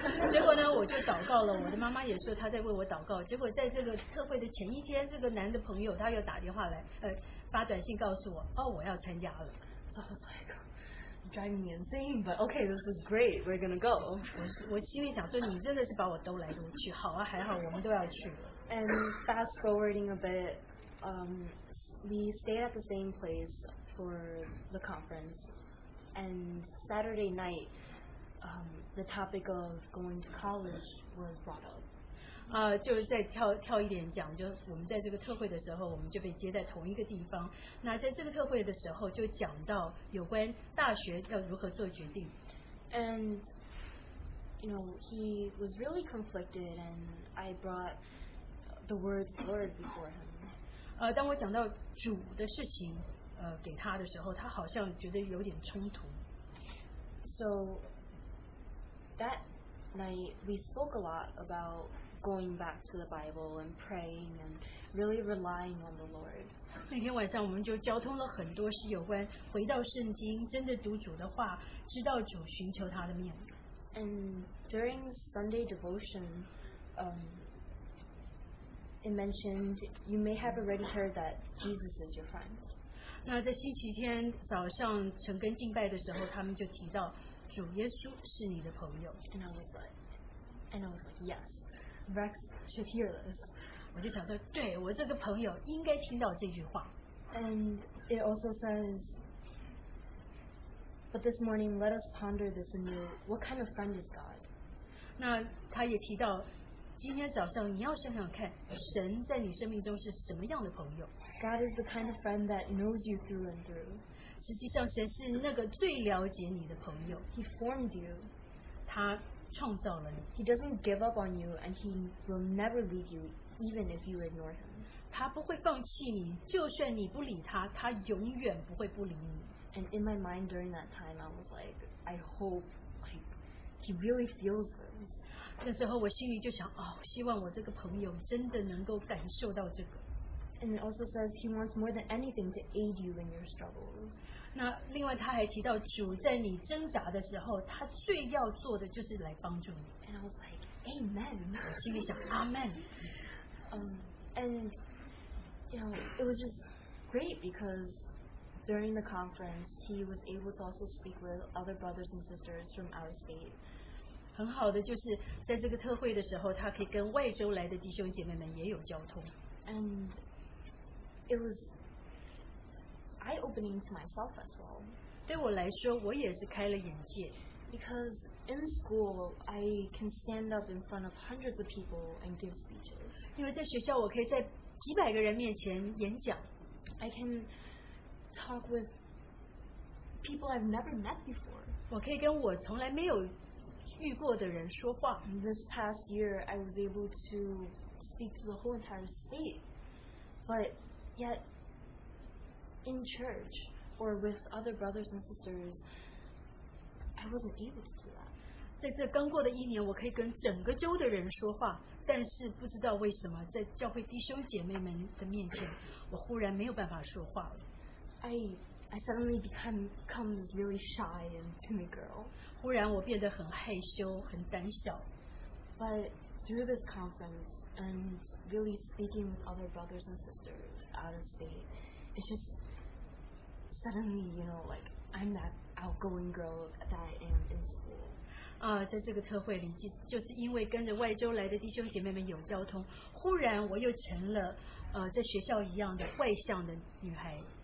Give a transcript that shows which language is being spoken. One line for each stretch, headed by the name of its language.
Chinese: 结果呢，我就祷告了。我的妈妈也说她在为我祷告。结果在这个特会的前一天，这个男的朋友他又打电话来，发短信告诉我，哦，我要参加了。
English: So I was like, driving me insane, but okay, this is great. We're gonna go.
Chinese: 我心里想说，你真的是把我兜来兜去。好啊，还好我们都要去了。
English: And fast forwarding a bit. We stayed at the same place for the conference, and Saturday night, the topic of going to college was brought up.
Chinese: 就是再跳一点讲，就我们在这个特会的时候，我们就被接在同一个地方。那在这个特会的时候，就讲到有关大学要如何做决定。
English: And you know, he was really conflicted, and I brought the words Lord before him.
Chinese: 当我讲到主的事情，给他的时候，他好像觉得有点冲突。
English: So that night we spoke a lot about going back to the Bible and praying and really relying on the Lord.
Chinese: 那天晚上我们就交通了很多是有关回到圣经，真的读主的话，知道主，寻求他的面。
English: And during Sunday devotion, It mentioned, you may have already heard that Jesus is your friend.
Chinese: 那在星期天早上晨更敬拜的时候，他们就提到主耶稣是你的朋友。
English: And I was like, yes, Rex should hear this.
Chinese: 我就想说，对，我这个朋友应该听到这句话。
English: And it also says, but this morning let us ponder this anew. What kind of friend is God?
Chinese: 那他也提到，今天早上你要想想看，神在你生命中是什么样的朋友。
English: God is the kind of friend that knows you through and through.
Chinese: 实际上神是那个最了解你的朋友。
English: He formed you.
Chinese: 他创造了你。
English: He doesn't give up on you and he will never leave you even if you ignore him.
Chinese: 他不会放弃你，就算你不理他，他永远不会不理你。
English: And in my mind during that time, I was like, I hope, like, he really feels this.
Chinese: 那时候我心里就想，哦，希望我这个朋友真的能够感受到这个。
English: And it also says he wants more than anything to aid you in your struggles.
Chinese: 那另外他还提到，主在你挣扎的时候，他最要做的就是来帮助你。
English: And I was like, Amen.
Chinese: 我心里想，阿门。
English: And you know, it was just great because during the conference, he was able to also speak with other brothers and sisters from our state.
Chinese: 很好的就是在这个特会的时候，他可以跟外州来的弟兄姐妹们也有交通。
English: And it was eye-opening to myself as well.
Chinese: 对我来说，我也是开了眼界。
English: Because in school, I can stand up in front of hundreds of people and give speeches.
Chinese: 因为在学校，我可以在几百个人面前演讲。
English: I can talk with people I've never met before.
Chinese: 我可以跟我从来没有遇过的人说话。
English: This past year, I was able to speak to the whole entire state. But yet, in church or with other brothers and sisters, I wasn't able to do that.
Chinese: 在这刚过的一年，我可以跟整个州的人说话，但是不知道为什么，在教会弟兄姐妹们的面前，我忽然没有办法说话了。
English: I suddenly become really shy and timid girl.
Chinese: 忽然我变得很害羞，很胆小。
English: But through this conference and really speaking with other brothers and sisters out of state, it's just suddenly, you know, like I'm that outgoing girl that I am in school.
Chinese: 在这个特会里，就是因为跟着外州来的弟兄姐妹们有交通，忽然我又成了在学校一样的外向的女孩。